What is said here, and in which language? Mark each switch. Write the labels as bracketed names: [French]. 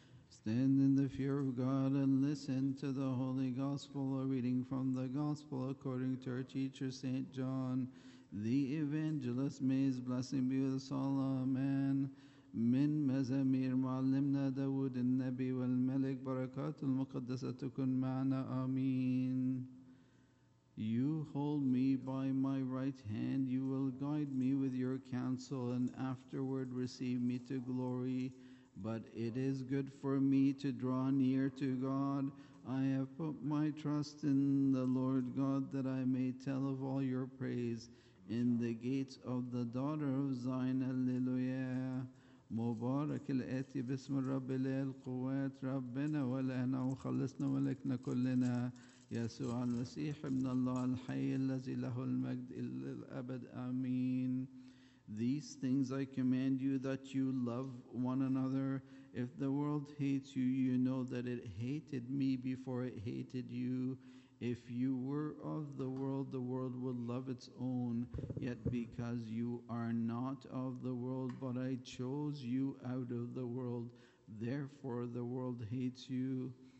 [English] Stand in the fear of God and listen to the Holy Gospel, a reading from the Gospel according to our teacher, St. John, the Evangelist. May his blessing be with us all. Amen. [Arabic] من مزامير معلمنا داود النبي والملك بركات المقدسة تكون معنا آمين. [English] You hold me by my right hand, you will guide me with your counsel, and afterward receive me to glory. But it is good for me to draw near to God. I have put my trust in the Lord God, that I may tell of all your praise in the gates of the daughter of Zion. Alleluia. [Arabic] مبارك الآتي باسم الرب إله القوات ربنا ولنا وخلصنا ولكنا كلنا يسوع المسيح ابن الله الحي الذي له المجد إلى الأبد آمين. [English] These things I command you, that you love one another. If the world hates you, you know that it hated me before it hated you. If you were of the world would love its own. Yet because you are not of the world, but I chose you out of the world, therefore the world hates you.